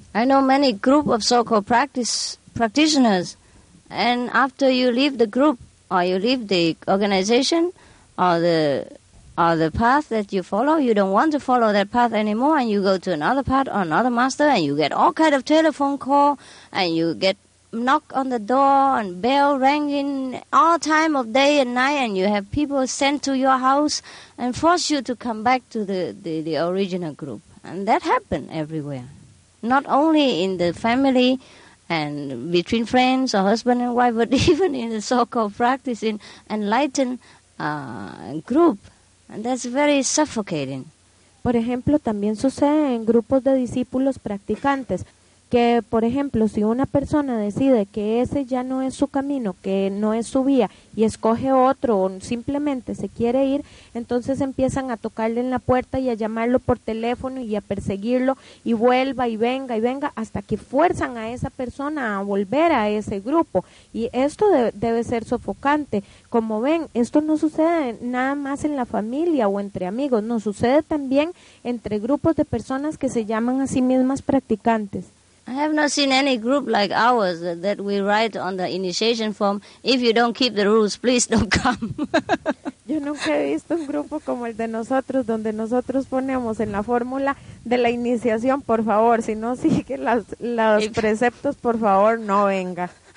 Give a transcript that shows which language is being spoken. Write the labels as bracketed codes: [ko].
[en] I know many group of so-called practitioners, and after you leave the group or you leave the organization or the path that you follow, you don't want to follow that path anymore, and you go to another path or another master, and you get all kind of telephone call, and you get knock on the door and bell ringing all time of day and night, and you have people sent to your house and force you to come back to the original group. And that happened everywhere, not only in the family and between friends or husband and wife, but even in the so-called practicing enlightened group. And that's very suffocating. [es] Por ejemplo, también sucede en grupos de discípulos practicantes. que, por ejemplo, si una persona decide que ese ya no es su camino, que no es su vía, y escoge otro o simplemente se quiere ir, entonces empiezan a tocarle en la puerta y a llamarlo por teléfono y a perseguirlo y vuelva y venga, hasta que fuerzan a esa persona a volver a ese grupo. Y esto debe ser sofocante. Como ven, esto no sucede nada más en la familia o entre amigos, no, sucede también entre grupos de personas que se llaman a sí mismas practicantes. [en] I have not seen any group like ours that we write on the initiation form, if you don't keep the rules, please don't come. [es] Yo nunca he visto un grupo como el de nosotros, donde nosotros ponemos en la fórmula de la iniciación, por favor, si no sigue los preceptos, por favor, no venga.